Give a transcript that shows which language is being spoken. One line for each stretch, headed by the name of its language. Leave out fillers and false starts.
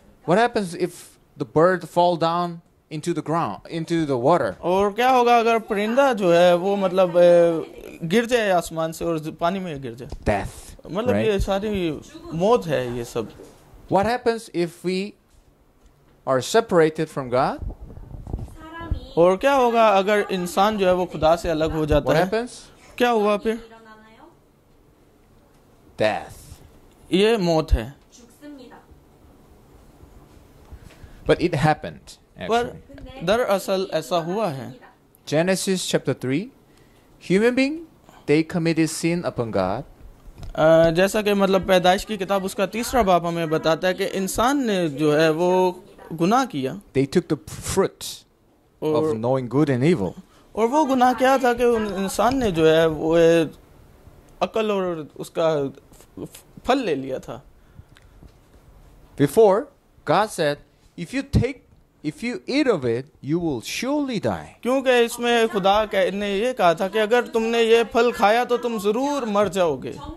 English: What happens if the bird fall down into the ground, into the water?
Urdu: اور کیا ہوگا اگر پرندہ جو ہے وہ مطلب گر جائے آسمان سے اور پانی میں گر جائے.
English: Death.
Urdu: مطلب یہ ساری موت ہے یہ سب.
English: What happens if we are separated from God?
Urdu: اور کیا ہوگا اگر انسان جو ہے وہ خدا سے الگ ہو جاتا ہے.
English: What happens?
Urdu: کیا ہوگا پھر.
English: Death.
Urdu: یہ موت ہے.
English: But it happened, actually.
Urdu: دراصل ایسا ہوا ہے.
English: Genesis chapter 3. Human being, they committed sin upon God.
Urdu: جیسا کہ مطلب پیدائش کی کتاب اس کا تیسرا باب ہمیں بتاتا ہے کہ انسان نے جو ہے وہ گناہ کیا.
English: They took the fruit of knowing good and evil.
Urdu: اور وہ گناہ کیا تھا کہ انسان نے جو ہے وہ عقل اور اس کا پھل لے لیا تھا.
English: Before God said if you take if you eat of it you will surely die.
Urdu: کیونکہ اس میں خدا نے یہ کہا تھا کہ اگر تم نے یہ پھل کھایا تو تم ضرور مر جاؤ گے.